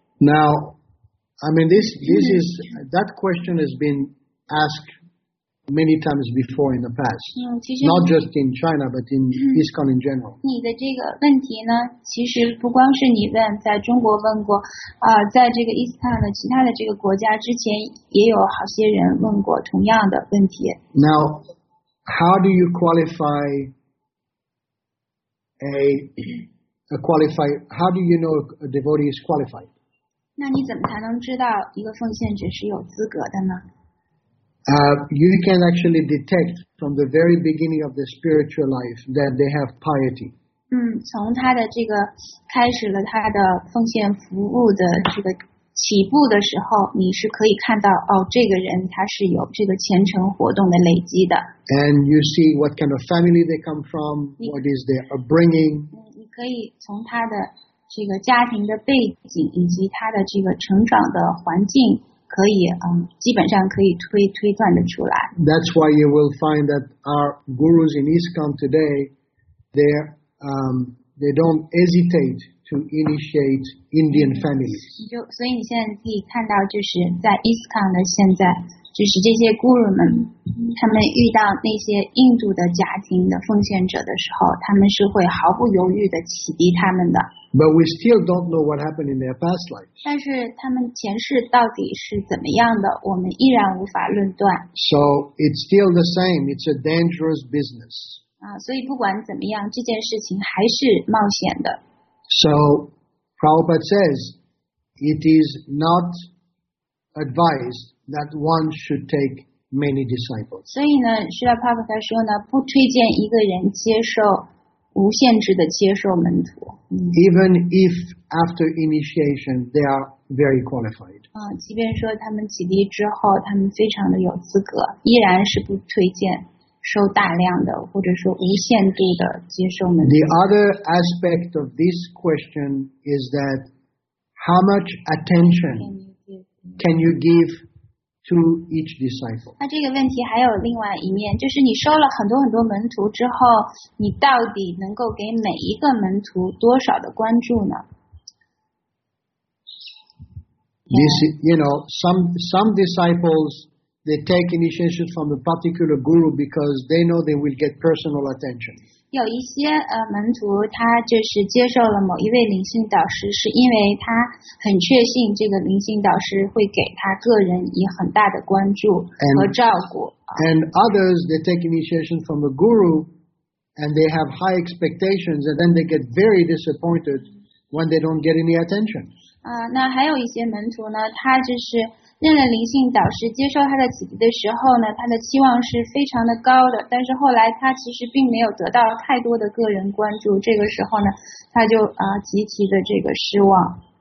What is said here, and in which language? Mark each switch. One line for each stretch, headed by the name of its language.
English: Now, I mean this is that question has been asked many times before in the past. Not just in China, but in ISKCON in general.
Chinese: 你的这个问题呢，其实不光是你问，在中国问过，在这个 ISKCON 的其他的这个国家之前，也有好些人问过同样的问题。
English: Now, how do you qualify how do you know a devotee is qualified?
Chinese: 那你怎么才能知道一个奉献者是有资格的呢？
English: You can actually detect from the very beginning of the spiritual life that they have piety.
Chinese: 从他的这个开始了他的奉献服务的这个起步的时候，你是可以看到这个人他是有这个虔诚活动的累积的。
English: And you see what kind of family they come from, what is their upbringing.
Chinese: 你可以从他的这个家庭的背景以及他的这个成长的环境。可以基本上可以推断的出来。
English: That's why you will find that our gurus in ISKCON today, they don't hesitate to initiate Indian families.
Chinese: 所以你现在可以看到，就是在 ISKCON 的现在，就是这些 guru 们，他们遇到那些印度的家庭的奉献者的时候，他们是会毫不犹豫的启迪他们的。
English: But we still don't know what happened in their past life.
Chinese: 但是他们前世到底是怎么样的，我们依然无法论断。
English: So it's still the same. It's a dangerous business.
Chinese: 所以不管怎么样，这件事情还是冒险的。
English: So Prabhupada says, it is not advised that one should take many disciples.
Chinese: 所以呢，释迦牟尼佛说呢，不推荐一个人接受。无限制的接受门徒。
English: Even if after initiation they are very qualified.
Chinese: 即便说他们起立之后，他们非常的有资格，依然是不推荐收大量的，或者说无限度的接受门徒。
English: The other aspect of this question is that how much attention can you give to each disciple?
Chinese: 那这个问题还有另外一面，就是你收了很多很多门徒之后，你到底能够给每一个门徒多少的关注呢？
English: This, you know, some disciples they take initiation from a particular guru because they know they will get personal attention.
Chinese: 有一些门徒他就是接受了某一位灵性导师，是因为他很确信这个灵性导师会给他个人以很大的关注和照顾。
English: And others they take initiation from a guru and they have high expectations and then they get very disappointed when they don't get any attention.
Chinese: 那还有一些门徒呢，他就是认了灵性导师，接受他的启迪的时候呢，他的期望是非常的高的，但是后来他其实并没有得到太多的个人关注，这个时候呢，他就极其的这个失望。